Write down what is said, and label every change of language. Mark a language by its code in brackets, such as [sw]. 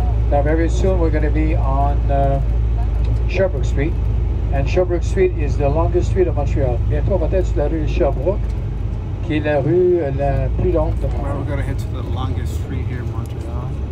[en] Now, very soon we're going to be on Sherbrooke Street. And Sherbrooke Street is the longest street of Montreal. [fr] Bientôt, on va être sur la rue Sherbrooke, qui est la rue la plus longue de Montréal. [en] We're going to head to the longest street here in Montreal.